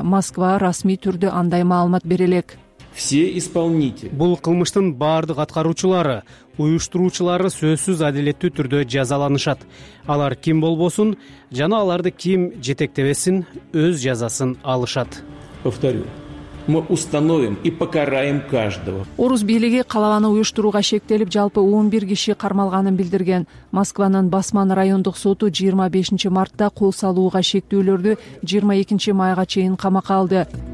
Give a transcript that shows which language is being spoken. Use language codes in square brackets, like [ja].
[ky] Москва расмий түрдө андай маалымат бере элек. [ru] Все исполнители. [ky] Бул кылмыштын баардык аткаруучулары, уюштуруучулары сөзсүз адилеттүү түрдө жазаланышат. Алар ким болбосун жана аларды ким жетектебесин өз жазасын алышат. [ru] Повторю. Мы установим и покараем каждого. [ky] Орус бийлиги калабаны уюштурууга шектелип, жалпы 11 киши кармалганын билдирген. Москванын Басман райондук соту 25 мартта кол салууга шектүүлөрдү 22 майга чейин камакка алды.